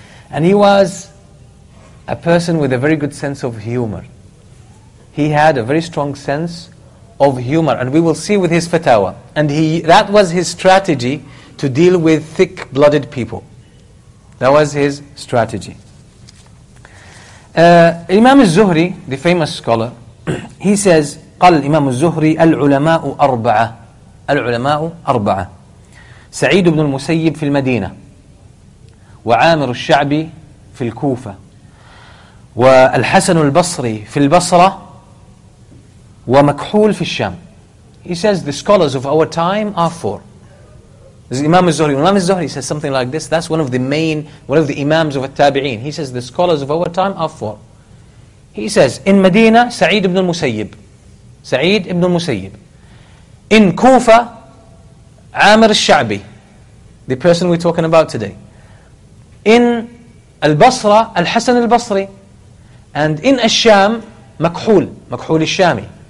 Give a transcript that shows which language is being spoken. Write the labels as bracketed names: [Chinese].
[English] And he was a person with a very good sense of humor. He had a very strong sense of humor. And we will see with his fatawa. And that was his strategy to deal with thick-blooded people. That was his strategy. Imam al-Zuhri, the famous scholar, he says, [Arabic] قال الإمام الزهري العلماء أربعة العلماء أربعة سعيد بن المسيب في المدينة وعامر الشعبي في الكوفة والحسن البصري في البصرة ومكحول في الشام. [English] He says the scholars of our time are four. This is Imam al-Zuhri. Imam al-Zuhri says something like this. That's one of the imams of al-Tabi'in. He says the scholars of our time are four. He says in Medina سعيد بن المسيب سعيد ابن المسيب. In Kufa, Amr al-Sha'bi, the person we're talking about today. In al-Basra, al-Hasan al-Basri. And in al-Sham, Makhul, Makhul al-Shami.